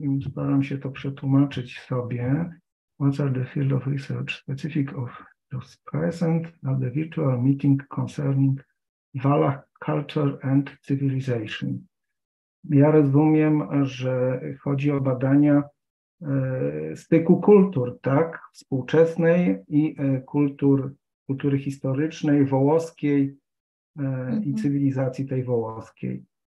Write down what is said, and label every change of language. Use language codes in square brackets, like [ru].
[pl] Staram się to przetłumaczyć sobie. [en] What are the field of research specific of those present at the virtual meeting concerning Valach culture and civilization? [pl] Ja rozumiem, że chodzi o badania styku kultur, tak? Współczesnej i kultury historycznej, wołoskiej i cywilizacji tej wołoskiej.